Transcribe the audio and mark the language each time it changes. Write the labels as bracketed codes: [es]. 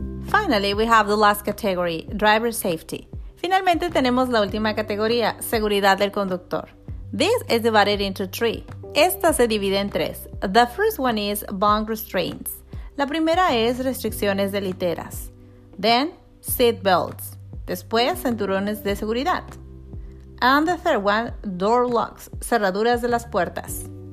[en] Finally, we have the last category, driver safety. [es] Finalmente tenemos la última categoría, seguridad del conductor. [en] This is divided into three. [es] Esta se divide en tres. [en] The first one is bunk restraints. [es] La primera es restricciones de literas. [en] Then, seat belts. [es] Después, cinturones de seguridad. [en] And the third one, door locks, [es] cerraduras de las puertas.